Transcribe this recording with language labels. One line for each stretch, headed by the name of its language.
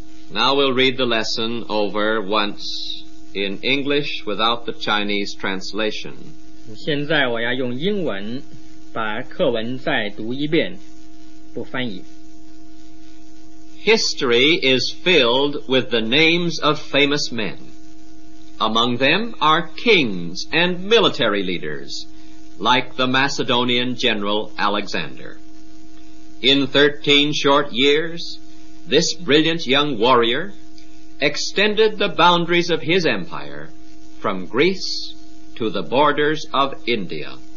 English: Now we'll read the lesson over once in English without the Chinese translation.
Chinese: 现在我要用英文把课文再读一遍，不翻译。
English: History is filled with the names of famous men. Among them are kings and military leaders, like the Macedonian general Alexander. In 13 short years, this brilliant young warrior extended the boundaries of his empire from Greece to the borders of India.